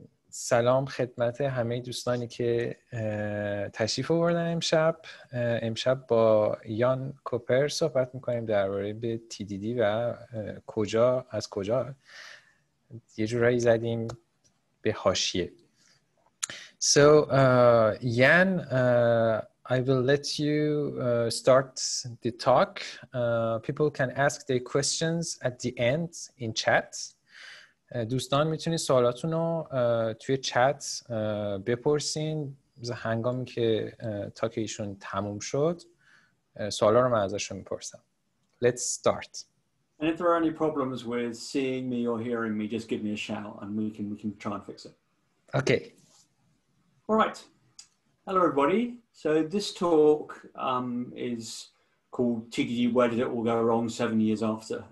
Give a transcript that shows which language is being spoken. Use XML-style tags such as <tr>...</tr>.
<fa>سلام خدمت همه دوستانی که تشریف آوردن امشب. امشب با یان کوپر صحبت میکنیم درباره به TDD و کجا از کجا یه جورایی زدیم به حاشیه.</fa> <en>So Jan, I will let you start the talk. People can ask their questions at the end in chat.</en> <fa>دوستان میتونید سوالاتون رو توی چت بپرسین هنگامی که تاک ایشون تموم شد سوالا رو من ازشون میپرسم.</fa> <en>Let's start. And if there are any problems with seeing me or hearing me, just give me a shout and we can try and fix it. Okay. All right. Hello, everybody. So this talk is called TDD, Where Did It All Go Wrong 7 Years After?</en>